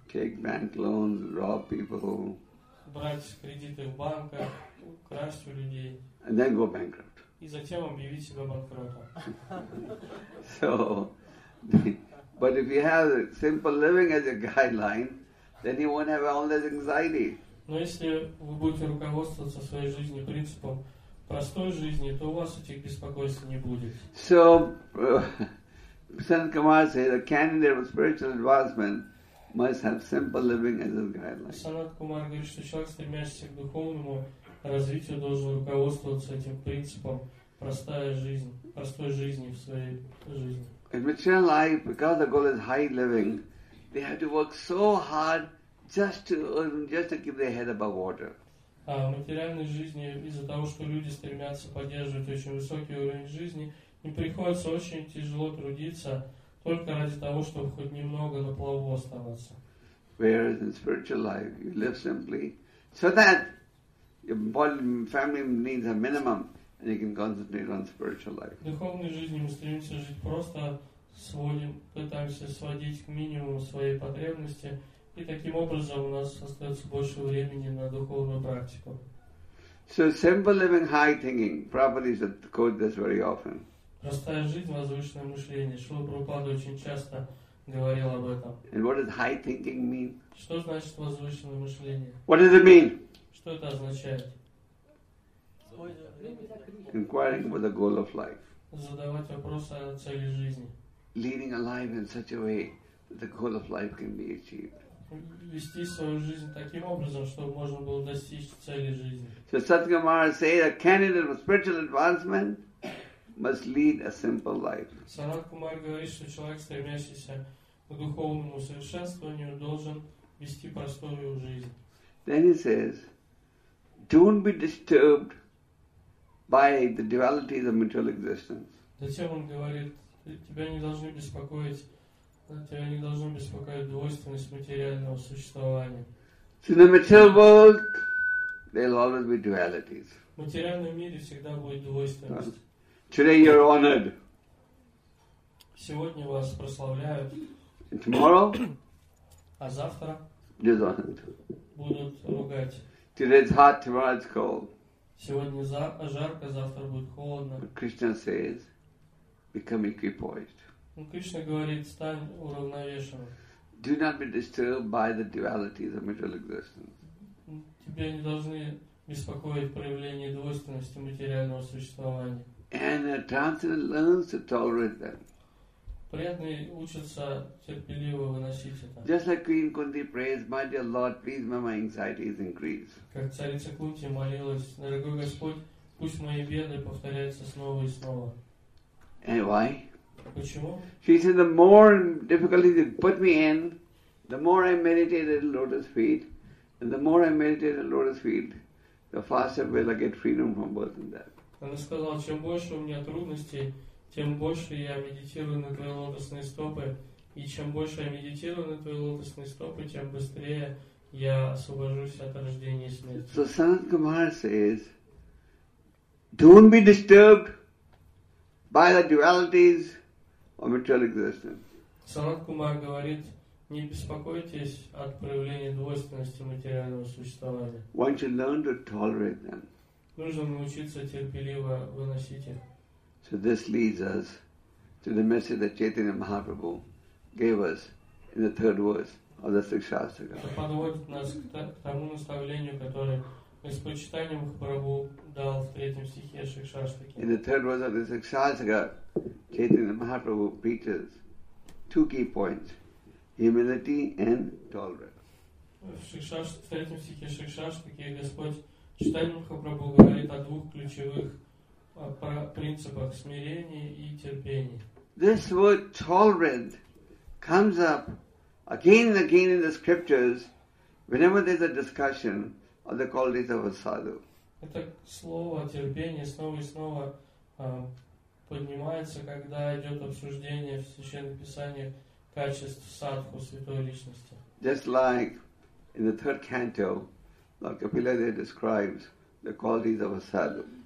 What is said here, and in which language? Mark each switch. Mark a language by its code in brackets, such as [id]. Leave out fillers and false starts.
[en] Take bank loans, rob people. [ru] Брать кредиты в банках, украсть у людей. [en] And then go bankrupt. [ru] И затем объявить себя банкротом. [en] So, but if you have simple living as a guideline, then you won't have all this anxiety. [ru] Но если вы будете руководствоваться своей жизнью принципом простой жизни, то у вас этих беспокойств не будет. [en] So, Sanat Kumar says a candidate for spiritual advancement must have simple living as his guideline. [ru] Sanat Kumar говорит, что человек, стремящийся к духовному развитию, должен руководствоваться этим принципом простая жизнь, простой жизни в своей жизни. [en] In material life, because the goal is high living, they have to work so hard just to keep their head above water. [ru] В материальной жизни из-за того, что люди стремятся поддерживать очень высокий уровень жизни, им приходится очень тяжело трудиться только ради того, чтобы хоть немного на плаву оставаться. [en] Whereas in spiritual life, you live simply so that your family needs a minimum and you can concentrate on spiritual life. [ru] В духовной жизни мы стремимся жить просто, пытаемся сводить к минимуму свои потребности, и таким образом у нас остается больше времени на духовную практику. [en] So simple living, high thinking, Prabhupada used to quote this very often. [ru] Простая жизнь, возвышенное мышление. Шрила Прабхупада очень часто говорил об этом. [en] And what does high thinking mean? [ru] Что значит возвышенное мышление? [en] What does it mean? [ru] Что это означает? [en] Inquiring about the goal of life. [ru] Задавать вопрос о цели жизни. [en] Leading a life in such a way that the goal of life can be achieved. [ru] Вести свою жизнь таким образом, чтобы можно было достичь цели жизни. [en] So Sanat Kumar said, a candidate for spiritual advancement must lead a simple life. [ru] Sanat Kumar говорит, что человек, стремящийся к духовному совершенствованию, должен вести простую жизнь. [en] Then he says, don't be disturbed by the dualities of material existence. [ru] Затем он говорит, тебя не должно беспокоить двойственность материального существования. [en] So in the material world, there will always be dualities. [ru] В материальном мире всегда будет двойственность. [en] Today you're honored. [ru] Сегодня вас прославляют. [en] And tomorrow? [ru] А завтра? [en] Dishonored. [ru] Будут ругать. [en] Today it's hot, tomorrow it's cold. [ru] Сегодня жарко, завтра будет холодно. [en] But Krishna says, become equipoised. [ru] Кришна говорит, стань уравновешенным. [en] Do not be disturbed by the dualities of material existence. [ru] Тебя не должны беспокоить проявления двойственности материального существования. [en] And a transcendent learns to tolerate them. [ru] Преданные учатся терпеливо выносить это. [en] Just like Queen Kunti prays, my dear Lord, please may my anxieties increase. [ru] Как царица Кунти молилась, дорогой Господь, пусть мои беды повторяются снова и снова. [en] And why? [ru] Почему? [en] She said, the more difficulties you put me in, the more I meditate at lotus feet, and the more I meditate at lotus feet, the faster will I get freedom from birth and death. [ru] Она сказала, чем больше у меня трудностей, тем больше я медитирую на твои лотосные стопы, и чем больше я медитирую на твои лотосные стопы, тем быстрее я освобожусь от рождения и смерти. [en] So Sanat Kumar says, don't be disturbed by the dualities of material existence. [ru] Sanat Kumar говорит, не беспокойтесь от проявления двойственности материального существования. [en] One should learn to tolerate them. [ru] Нужно научиться терпеливо выносить их. [en] So this leads us to the message that Chaitanya Mahaprabhu gave us in the third verse of the Sixth Shastra. [ru] Это подводит нас к тому наставлению, которое с почитанием Махапрабху дал в третьем стихе Шикшаштаки. [en] In the third verse of the Sixth Shastra, Chaitanya Mahaprabhu preaches two key points, humility and tolerance. [ru] В третьем стихе Шикшаштаки Господь читанием Махапрабху говорит о двух ключевых принципах смирения и терпения. [en] This word tolerant comes up again and again in the scriptures whenever there's a discussion of the qualities of a sadhu. [ru] Это слово терпение снова и снова поднимается, когда идет обсуждение в Священном Писании качеств садху, святой личности. [en] Just like In the third canto, Lord Kapila there describes the qualities of a sadhu.